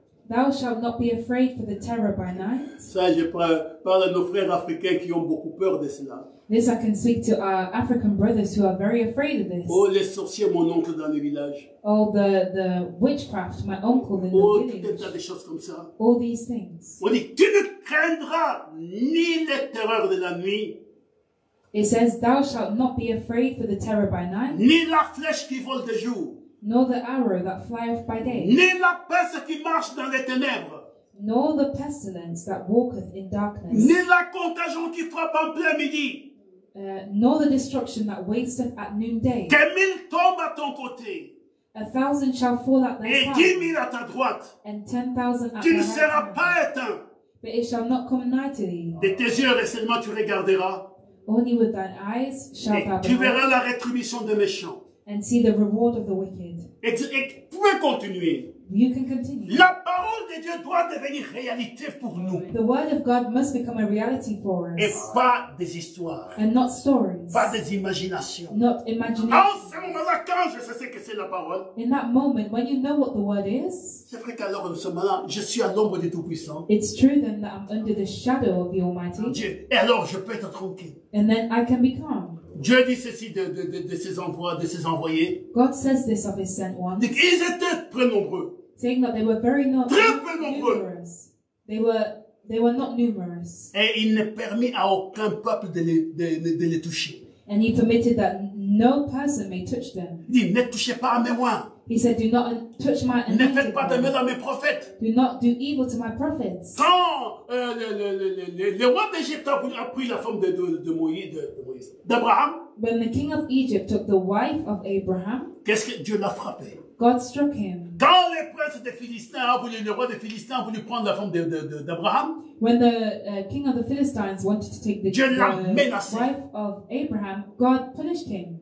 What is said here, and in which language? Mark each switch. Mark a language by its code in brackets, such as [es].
[en] Thou shalt not be afraid for the terror by night. [fr] Ça, je parle à nos frères africains qui ont beaucoup peur de cela. [en] This I can speak to our African brothers who are very afraid of this. [fr] Oh, les sorciers, mon oncle dans le village. [en] All the witchcraft, my uncle in oh, the village. [fr] Oh, tout des choses comme ça. [en] All these things. [fr] On dit, tu ne craindras ni les terreurs de la nuit. [en] It says, thou shalt not be afraid for the terror by night. [fr] Ni la flèche qui vole de jour. [en] Nor the arrow that flieth by day. [fr] Ni la peste qui marche dans les ténèbres. [en] Nor the pestilence that walketh in darkness. [fr] Ni la contagion qui frappe en plein midi. [en] Nor the destruction that wasteth at noonday. [fr] Que mille tombent à ton côté. [en] 1,000 shall fall at thy side. [fr] Et 10,000 à ta droite. [en] And 10,000 at thy right. [fr] Tu ne seras pas éteint. [en] But it shall not come nigh to thee. [fr] De tes yeux récemment tu regarderas. [en] Only with thine eyes shalt thou behold. [fr] Tu verras la rétribution des méchants. [en] And see the reward of the wicked. [fr] Et tu peux continuer. [en] You can continue. [fr] La parole de Dieu doit devenir réalité pour nous. [en] The word of God must become a reality for us. [fr] Et pas des histoires. [en] And not stories. [fr] Pas des imaginations. [en] Not imagination. [fr] En ce moment-là, quand je sais que c'est la parole. [en] In that moment, when you know what the word is. [fr] C'est vrai qu'alors en ce moment-là, je suis à l'ombre du Tout-Puissant. [en] It's true then that I'm under the shadow of the Almighty. [fr] Dieu. Et alors je peux être tranquille. [en] And then I can be calm. [fr] Dieu dit ceci de ses envois, de ses envoyés. [en] God says this of his sent ones. [fr] Ils étaient très nombreux. [en] Saying that they were very not [fr] très peu nombreux. [en] They were not numerous. [fr] Et il ne permit à aucun peuple de les toucher. [en] And he permitted that no person may touch them. [fr] Il dit, ne touchez pas à mes oints. [en] He said, do not touch my [fr] ne faites pas de mal à mes prophètes. [en] Do not do evil to my prophets. [fr] Quand le roi d'Égypte a pris la femme de Moïse, d'Abraham. [en] When the king of Egypt took the wife of Abraham. [fr] Qu'est-ce que Dieu l'a frappé? [en] God struck him. [fr] Quand les princes des Philistins le roi des Philistins a voulu prendre la femme d'Abraham. [en] When the king of the Philistines wanted to take the wife of Abraham, God punished him.